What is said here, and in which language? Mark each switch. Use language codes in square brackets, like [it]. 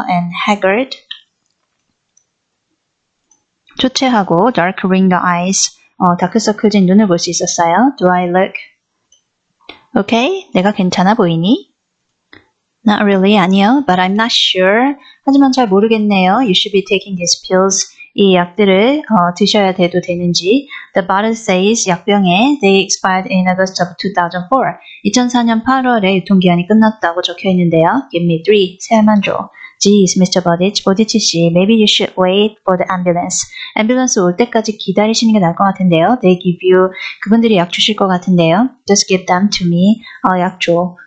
[en] And haggard, [ko] 초췌하고, [en] dark ring the eyes, [ko] 다크서클진 눈을 볼수 있었어요. [en] Do I look okay? [ko] 내가 괜찮아 보이니? [en] Not really, [ko] 아니요. [en] But I'm not sure. [ko] 하지만 잘 모르겠네요. [en] You should be taking these pills. [ko] 이 약들을 드셔야 돼도 되는지. [en] The bottle says [ko] 약병에 [en] they expired in August of 2004. [ko] 2004년 8월에 유통기한이 끝났다고 적혀 있는데요. [en] Give me three. [ko] 세 알만 줘. [en] Geez, Mr. Bodich. 보디치 씨. Maybe you should wait for the ambulance. [ko] 앰뷸런스 올 때까지 기다리시는 게 나을 것 같은데요. [en] They give you, [ko] 그분들이 약 주실 것 같은데요. [en] Just give them to me. [ko] 약 줘.